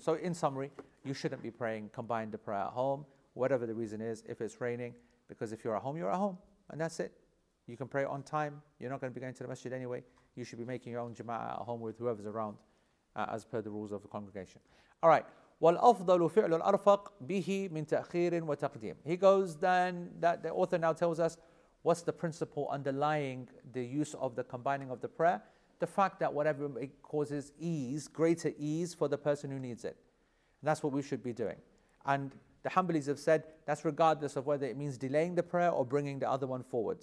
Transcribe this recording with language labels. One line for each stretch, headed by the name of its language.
English: So in summary, you shouldn't be praying combined the prayer at home, whatever the reason is, if it's raining, because if you're at home, you're at home and that's it. You can pray on time. You're not going to be going to the masjid anyway. You should be making your own jama'ah at home with whoever's around, as per the rules of the congregation. All right.
Arabic: والأفضل فعل الأرفق به من تأخير وتقديم.
English: He goes then, that the author now tells us, what's the principle underlying the use of the combining of the prayer? The fact that whatever it causes ease, greater ease for the person who needs it. And that's what we should be doing. And the Hanbalis have said, that's regardless of whether it means delaying the prayer or bringing the other one forward.